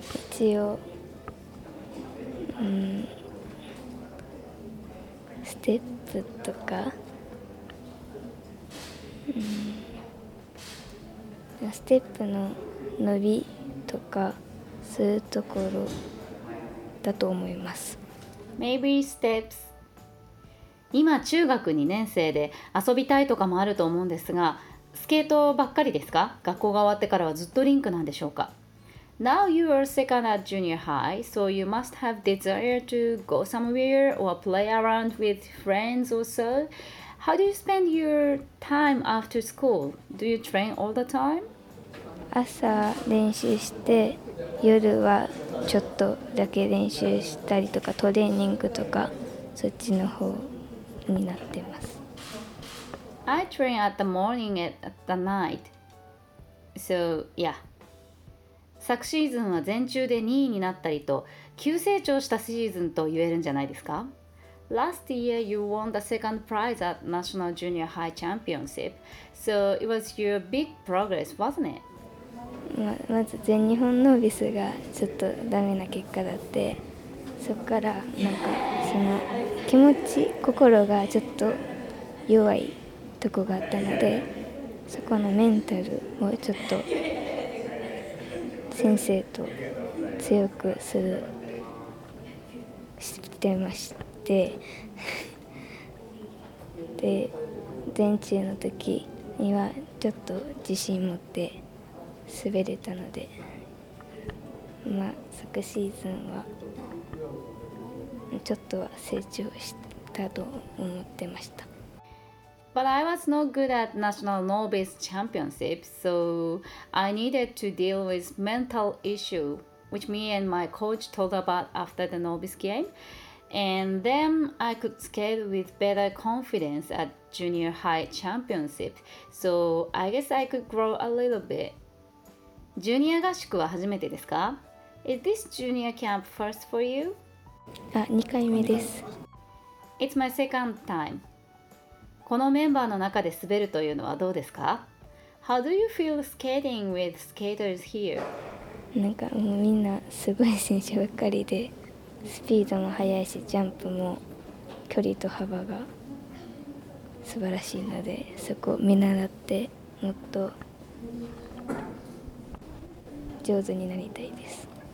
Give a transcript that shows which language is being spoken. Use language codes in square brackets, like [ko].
[ja] 一応、ステップとか、ステップの伸びとかそういうところだと思います。 [en] Maybe steps. [ja] 今中学2年生で遊びたいとかもあると思うんですが、スケートばっかりですか? 学校が終わってからはずっとリンクなんでしょうか? [en] Now you are second at junior high, so you must have desire to go somewhere or play around with friends or so. How do you spend your time after school? Do you train all the time? [ja] 朝練習して夜はちょっとだけ練習したりとかトレーニングとかそっちの方になってます。 [en] I train at the morning and at the night. So, yeah. [ja] 昨シーズンは全中で2位になったりと急成長したシーズンと言えるんじゃないですか? [en] Last year you won the second prize at National Junior High Championship. So it was your big progress, wasn't it? [ja] まず全日本ノービスがちょっとダメな結果だってそこからなんかその気持ち心がちょっと弱いとこがあったのでそこのメンタルをちょっと先生と強くするしてましてで全中の時にはちょっと自信持って滑れたので、まあ、昨シーズンはちょっとは成長したと思ってました。 [en] But I was not good at National Novice Championship, so I needed to deal with mental issue, which me and my coach told about after the Novice game. And then I could skate with better confidence at Junior High Championship, so I guess I could grow a little bit. [ja] ジュニア合宿は初めてですか? [en] Is this junior camp first for you? [ja] あ、2回目です。 [en] It's my second time. [ja] このメンバーの中で滑るというのはどうですか? [en] How do you feel skating with skaters here? [ja] なんかもうみんなすごい選手ばっかりで、スピードも速いし、ジャンプも距離と幅が素晴らしいので、そこを見習ってもっと上手になりたいです。